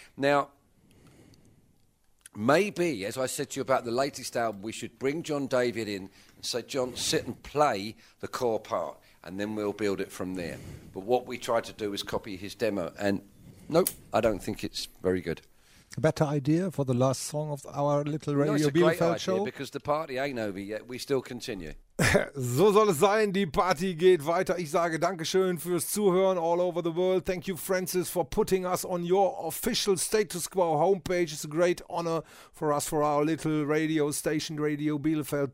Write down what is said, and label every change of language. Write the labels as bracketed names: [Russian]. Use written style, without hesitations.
[English] Now, maybe, as I said to you about the latest album, we should bring John David in and say, John, sit and play the core part, and then we'll build it from there. But what we tried to do is copy his demo, and nope, I don't think it's very good. A better idea for the last song of our little Radio Bielefeld show? No, it's a great idea, because the party ain't over yet, we still continue. [German] So soll es sein, die Party geht weiter. Ich sage Dankeschön fürs Zuhören [English] all over the world. Thank you, Francis, for putting us on your official Status Quo homepage. It's a great honor for us, for our little radio station, Radio Bielefeld.